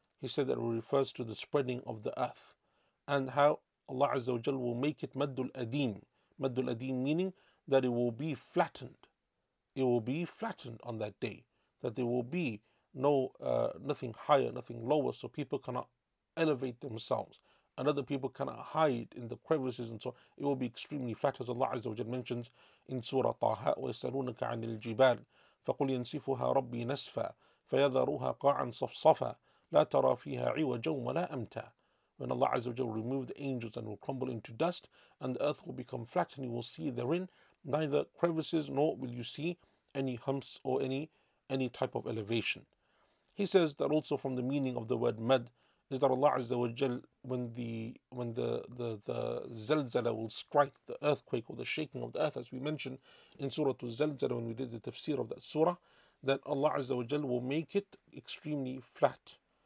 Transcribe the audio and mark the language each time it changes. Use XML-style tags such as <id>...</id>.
<en>He said that it refers to the spreading of the earth and how Allah Azza wa Jal will make it maddul adim. Maddul adim meaning that it will be flattened. It will be flattened on that day. That there will be nothing higher, nothing lower, so people cannot elevate themselves. And other people cannot hide in the crevices and so on. It will be extremely flat, as Allah Azza wa Jal mentions in Surah Taha,</en> <ar>وَيَسْأَلُونَكَ عَنِ الْجِبَالِ فَقُلْ يَنْسِفُهَا رَبِّي نَسْفًا فَيَذَرُوهَا قَاعًا صَفْصَفًا لَا تَرَى فِيهَا عِوَجًا وَلَا أَمْتًا.</ar> <en>When Allah Azza wa Jal will remove the angels and will crumble into dust, and the earth will become flat, and you will see therein neither crevices nor will you see any humps or any type of elevation. He says that also from the meaning of the word mad is that Allah Azza wa Jal, when the zelzala will strike, the earthquake or the shaking of the earth, as we mentioned in Surah Al-Zalzala when we did the tafsir of that surah, that Allah Azza wa Jal will make it extremely flat.</en>